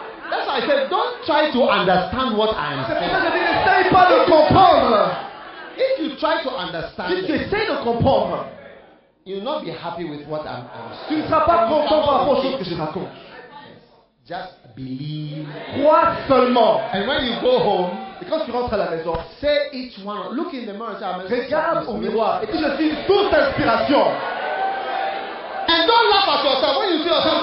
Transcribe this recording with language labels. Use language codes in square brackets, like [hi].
[en] That's why I said, don't try to understand what I am saying. [fr] N'essaye pas de comprendre. [en] If you try to understand, [fr] si tu essaies de comprendre, [en] you'll not be happy with what I'm saying. [fr] Tu ne seras pas content par rapport à ce que je raconte. [en] Just believe. [fr] Crois seulement. [en] And when you go home, [fr] quand tu rentres à la maison, [en] say each one, look in the mirror, say, [fr] regarde au miroir et dis, je suis toute inspiration. [en] And don't laugh at yourself when you see yourself.